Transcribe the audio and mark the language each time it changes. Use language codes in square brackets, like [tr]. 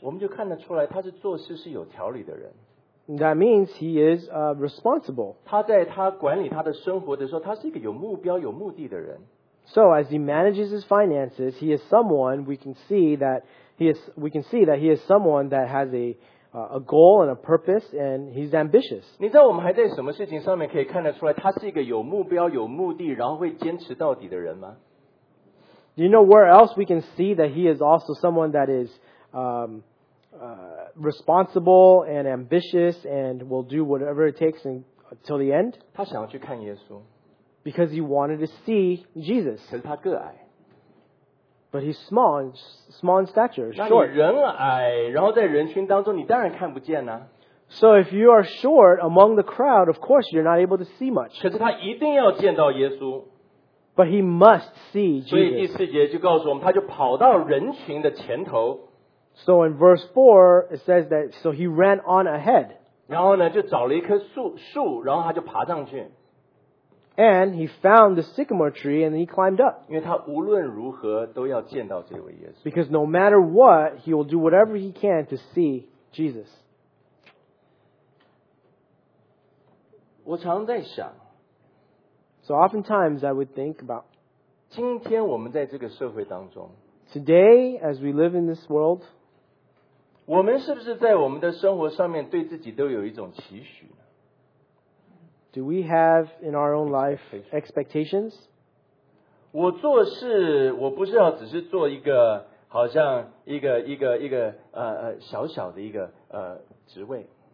[zh] 我们就看得出来他是做事是有条理的人。 [en] That means he is responsible. [zh] 他在他管理他的生活的时候，他是一个有目标、有目的的人。 [en] So as he manages his finances, he is someone we can see that he is someone that has a goal and a purpose, and he's ambitious. [zh] 你知道我们还在什么事情上面可以看得出来他是一个有目标、有目的，然后会坚持到底的人吗？ [en] Do you know where else we can see that he is also someone that is responsible and ambitious and will do whatever it takes until the end? [zh] 他想要去看耶稣。 [en] Because he wanted to see Jesus. [zh] 可是他个矮。 [en] But he's small in stature, short. [zh] 那你人矮，然后在人群当中，你当然看不见啊。 [en] So if you are short among the crowd, of course you're not able to see much. [zh] 可是他一定要见到耶稣。 [en] But he must see Jesus. [zh] 所以第四节就告诉我们，他就跑到人群的前头。 [en] So in verse 4, it says that, so he ran on ahead. [zh] 然后呢，就找了一棵树，然后他就爬上去。 [en] And he found the sycamore tree and he climbed up. [zh] 因为他无论如何都要见到这位耶稣。 [en] Because no matter what, he will do whatever he can to see Jesus. [zh] 我常在想， [en] So oftentimes I would think about [zh] 今天我们在这个社会当中 [en] Today as we live in this world [zh] 我们是不是在我们的生活上面对自己都有一种期许呢？ [en] Do we have in our own life expectations? [zh] 我做事我不是要只是做一个好像一个小小的一个职位。